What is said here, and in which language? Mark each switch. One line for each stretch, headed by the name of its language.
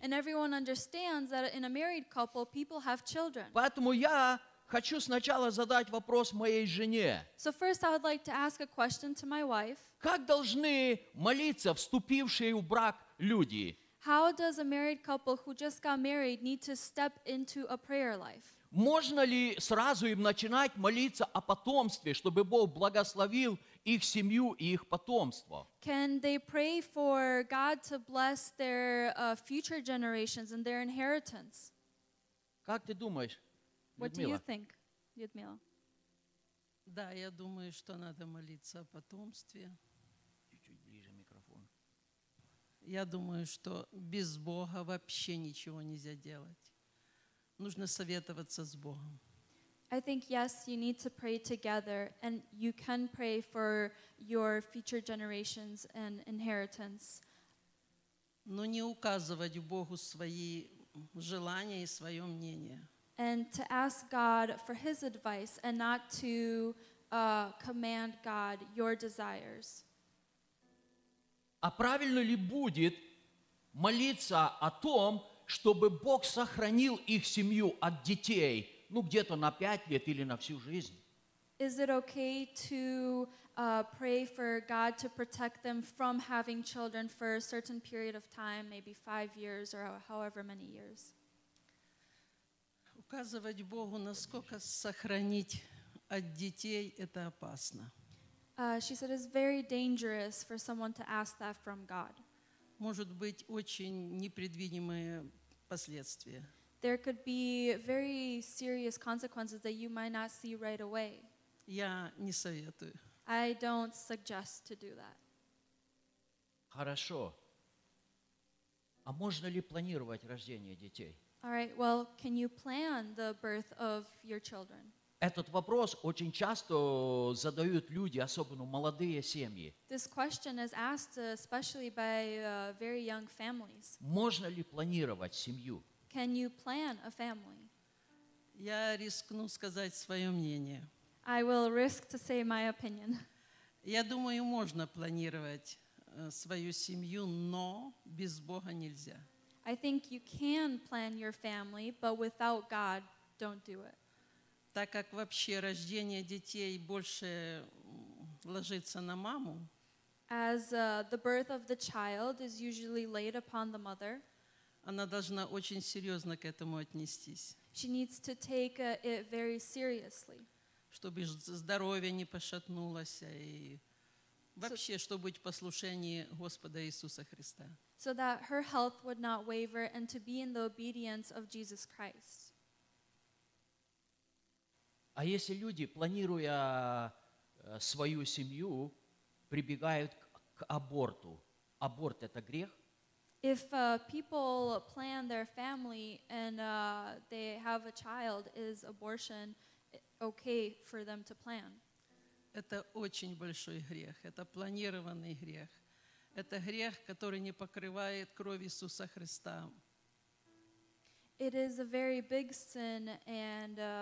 English: And everyone understands that in a married couple, people have children.
Russian: Поэтому я хочу сначала задать вопрос моей жене.
English: So first I would like to ask a question to my wife.
Russian: Как должны молиться вступившие в брак люди?
English: How does a married couple who just got married need to step into a prayer life?
Russian: Можно ли сразу им начинать молиться о потомстве, чтобы Бог благословил их семью и их потомство?
English: Can they pray for God to bless their future generations and their inheritance?
Russian: Как ты думаешь,
English: what
Russian: Людмила?
English: Do you think, Людмила?
Russian: Да, я думаю, что надо молиться о потомстве. Чуть-чуть ближе микрофон. Я думаю, что без Бога вообще ничего нельзя делать. Нужно советоваться с Богом.
English: I think, yes, you need to pray together, and you can pray for your future generations and inheritance.
Russian: Но не указывать Богу свои желания и свое мнение.
English: And to ask God for His advice and not to command God your desires.
Russian: А правильно ли будет молиться о том, чтобы Бог сохранил их семью от детей? Ну, где-то на 5 лет или на всю жизнь.
English: Is it okay to pray for God to protect them from having children for a certain period of time, maybe 5 years or however many years?
Russian: Указывать Богу, насколько сохранить от детей это опасно.
English: She said it's very dangerous for someone to ask that from God.
Russian: Может быть очень непредвидимые последствия.
English: There could be very serious consequences that you might not see right away.
Russian: Я не советую.
English: I don't suggest to do that.
Russian: Хорошо. А можно ли планировать рождение детей?
English: All right, well, can you plan the birth of your children?
Russian: Этот вопрос очень часто задают люди, особенно молодые семьи.
English: This question is asked especially by very young families.
Russian: Можно ли планировать семью?
English: Can you plan a family?
Russian: Я рискну сказать свое мнение.
English: I will risk to say my opinion.
Russian: Я думаю, можно планировать свою семью, но без Бога нельзя.
English: I think you can plan your family, but without God, don't do it.
Russian: Так как вообще рождение детей больше ложится на маму,
English: as the birth of the child is usually laid upon the mother,
Russian: она должна очень серьезно к этому отнестись.
English: She needs to take it very seriously.
Russian: Чтобы здоровье не пошатнулось, и вообще, чтобы быть в послушании Господа Иисуса Христа.
English: So that her health would not waver and to be in the obedience of Jesus Christ.
Russian: А если люди, планируя свою семью, прибегают к аборту, аборт – это грех?
English: If people plan their family and they have a child, is abortion okay for them to plan?
Russian: Это очень большой грех, это планированный грех. Это грех, который не покрывает кровь Иисуса Христа.
English: It is a very big sin and